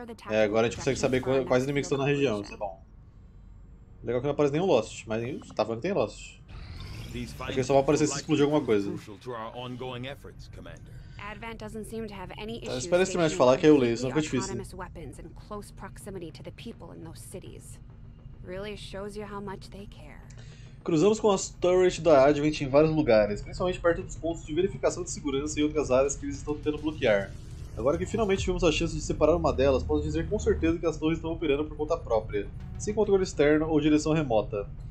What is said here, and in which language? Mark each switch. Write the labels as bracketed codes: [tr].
[pt] É, agora a gente consegue saber quais inimigos estão na região, isso é bom. Legal que não aparece nenhum Lost, mas tá falando que tem Lost. Aqui só vai aparecer se explodir alguma coisa. Então, espera esse terminar de falar que aí eu leio, senão fica difícil. [en] Close proximity to the people in those cities. Really shows you how much they care. [pt] Cruzamos com as turret da Advent em vários lugares, principalmente perto dos pontos de verificação de segurança e outras áreas que eles estão tentando bloquear. Agora que finalmente tivemos a chance de separar uma delas, posso dizer com certeza que as torres estão operando por conta própria, sem controle externo ou direção remota.